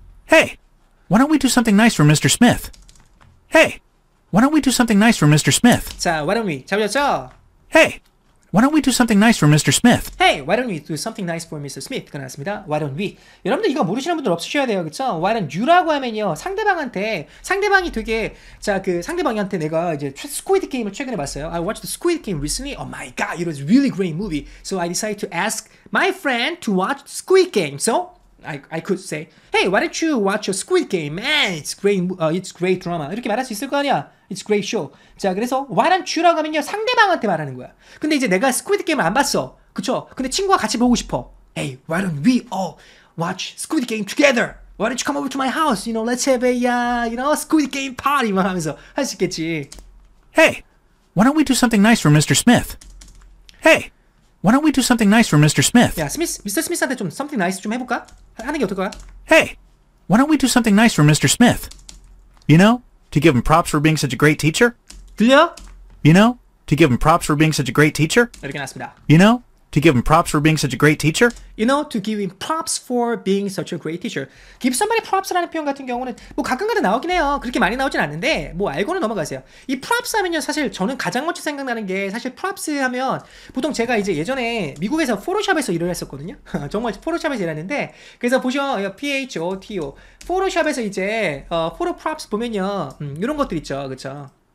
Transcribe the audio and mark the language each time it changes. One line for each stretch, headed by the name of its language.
English: Hey, why don't we do something nice for Mr. Smith? Hey, why don't we do something nice for Mr. Smith? 자, why don't we?
Korean: 잡혔죠?
English: Hey, why don't we do something nice for Mr. Smith? Hey, why don't we do something nice for Mr. Smith?
Korean: 가 나왔습니다.
English: Why don't we?
Korean: 여러분들 이거 모르시는 분들 없으셔야 돼요. 그쵸?
English: Why don't you
Korean: 라고 하면요. 상대방한테 내가 이제 스쿠이드 게임을 최근에 봤어요.
English: I watched the Squid Game recently. Oh my god, it was a really great movie. So I decided to ask my friend to watch Squid Game. So I could say, Hey, why don't you watch a Squid Game? Man, it's great drama.
Korean: 이렇게 말할 수 있을 거 아니야?
English: It's great show.
Korean: 자, 그래서
English: why don't you라고 하면요.
Korean: 상대방한테 말하는 거야. 근데 이제 내가 Squid Game을 안 봤어. 그쵸? 근데 친구와 같이 보고 싶어.
English: Hey, why don't we all watch Squid Game together? Why don't you come over to my house? You know, let's have a, Squid Game party.
Korean: 막 하면서 할 수 있겠지.
English: Hey, Why don't we do something nice for Mr. Smith? Hey, why don't we do something nice for Mr. Smith?
Korean: Yeah, Smith, Mr. Smith한테 좀
English: something nice
Korean: 좀 해볼까? 하는 게 어떨 거야?
English: Hey, why don't we do something nice for Mr. Smith? You know, to give him props for being such a great teacher?
Korean: 들려?
English: You know, to give him props for being such a great teacher?
Korean: 이렇게 나왔습니다.
English: You know, to give him props for being such a great teacher? You know, to give him props for being such a great teacher. Give somebody props
Korean: 라는 표현 같은 경우는 뭐 가끔가다 나오긴 해요. 그렇게 많이 나오진 않는데 뭐 알고는 넘어가세요. 이 props 하면요, 사실 저는 가장 먼저 생각나는 게 사실 props 하면 보통 제가 이제 예전에 미국에서 포토샵에서 일을 했었거든요. 정말 포토샵에서 일하는데 그래서 보셔요. photo 포토샵에서 이제 포토 props 보면요. 이런 것들 있죠. 그렇죠?